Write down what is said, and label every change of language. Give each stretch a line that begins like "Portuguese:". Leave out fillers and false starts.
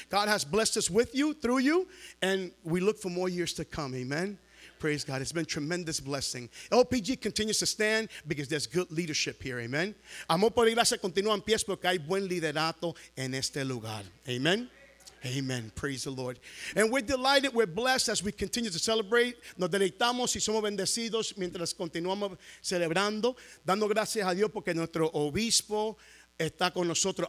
English: God has blessed us with you, through you. And we look for more years to come. Amen. Praise God. It's been a tremendous blessing. LPG continues to stand because there's good leadership here. Amen.
Spanish: Amor por iglesia continúa en pies porque hay buen liderato en este lugar.
English: Amen. Amen. Praise the Lord. And we're delighted, we're blessed as we continue to celebrate.
Spanish: Nos deleitamos y somos bendecidos mientras continuamos celebrando, dando gracias a Dios porque nuestro obispo está con nosotros.